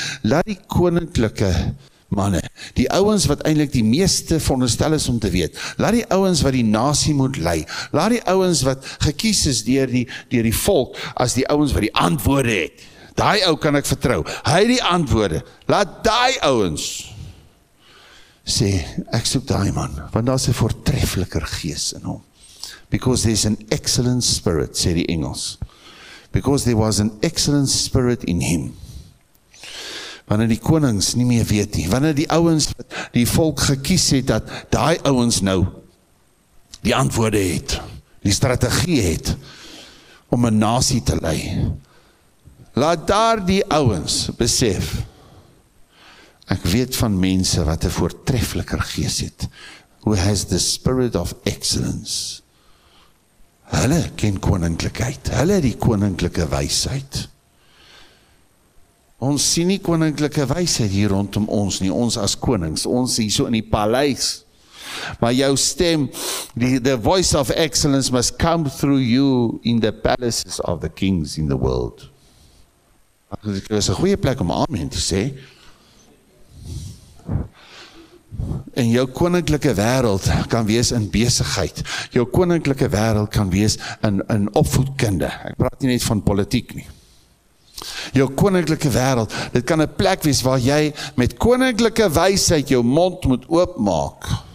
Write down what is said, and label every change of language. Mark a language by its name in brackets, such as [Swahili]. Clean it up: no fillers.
[Afrikaans] Laat die koninklike manne, die ouens wat eintlik die meeste veronderstel is om te weet, laat die ouens wat die nasie moet lei, laat die ouens wat gekies is deur die volk, as die ouens wat die antwoorde het, daai ou kan ek vertrou, hy die antwoorde, laat daai ouens sê, ek soek daai man, want daar is 'n voortreffeliker gees in hom. [English] Because there's an excellent spirit, [Afrikaans] sê die Engels. [English] Because there was an excellent spirit in him. [Afrikaans] Wanneer die konings nie meer weet nie, wanneer die ouens wat die volk gekies het, dat daai ouens nou die antwoorde het, die strategie het, om 'n nasie te lei. Laat daar die ouens besef, ek weet van mense wat 'n voortreffeliker gees het, [English] who has the spirit of excellence. [Afrikaans] Hulle ken koninklikheid, hulle die koninklike wysheid. Ons sien nie koninklike wysheid hier rondom ons nie, ons as konings, ons hier so in die paleis. Maar jou stem, [English] the voice of excellence must come through you in the palaces of the kings in the world. [Afrikaans] Dit is 'n goeie plek om amen te sê. En jou koninklike wêreld kan wees in besigheid. Jou koninklike wêreld kan wees in opvoedkunde. Ek praat nie net van politiek nie. Jou koninklike wêreld, dit kan 'n plek wees waar jy met koninklike wysheid jou mond moet oopmaak.